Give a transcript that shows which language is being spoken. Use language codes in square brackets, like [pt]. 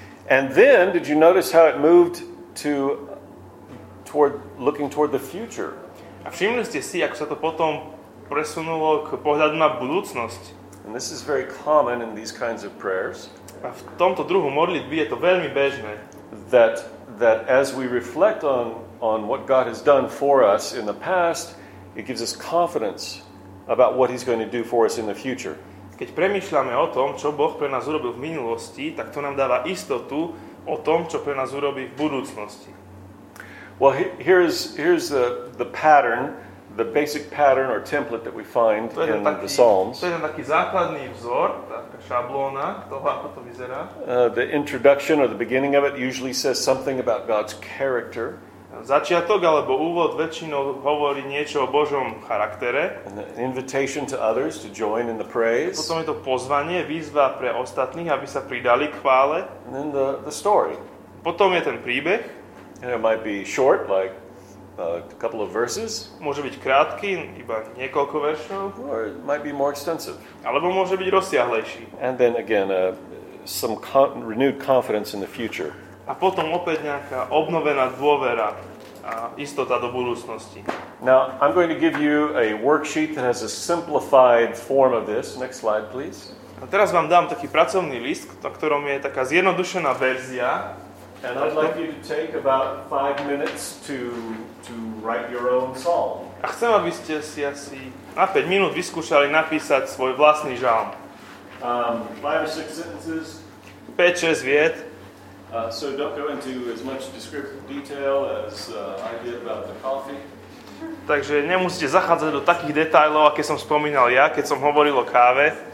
[en] And then, did you notice how it moved to looking toward the future? [sk] A všimli ste si, ako sa to potom presunulo k pohľadu na budúcnosť? [en] And this is very common in these kinds of prayers. [sk] A v tomto druhu modlitby je to veľmi bežné. [en] that as we reflect on what God has done for us in the past, it gives us confidence about what he's going to do for us in the future. [sk] Keď premýšľame o tom, čo Boh pre nás urobil v minulosti, tak to nám dáva istotu o tom, čo pre nás urobí v budúcnosti. [en] Well, here's the pattern, the basic pattern or template that we find in the Psalms. [sk] To je taký základný vzor, taká šablóna toho, ako to vyzerá. [en] The introduction or the beginning of it usually says something about God's character. [sk] Začiatok alebo úvod väčšinou hovorí niečo o Božom charaktere. [en] Invitation to others to join in the praise. [sk] Potom je to pozvanie, výzva pre ostatných, aby sa pridali k chvále. [en] And then the story. [sk] Potom je ten príbeh. [en] And it might be short, like a couple of verses. [sk] Môže byť krátky, iba niekoľko veršov. [en] Or it might be more extensive. [sk] Alebo môže byť rozsiahlejší. [en] And then again, some renewed confidence in the future. [sk] A potom opäť nejaká obnovená dôvera a istota do budúcnosti. [en] Now, I'm going to give you a worksheet that has a simplified form of this. Next slide, please. [sk] A teraz vám dám taký pracovný list, na ktorom je taká zjednodušená verzia. [en] And I'd like you to take about 5 minutes to write your own psalm. [sk] A chcem, aby ste si asi na 5 minút vyskúšali napísať svoj vlastný žalm. [en] 5 or 6 sentences. [sk] 5-6 viet. [en] So don't go into as much descriptive detail as I did about the coffee. [sk] Takže nemusíte zachádzať do takých detailov, aké som spomínal ja, keď som hovoril o káve.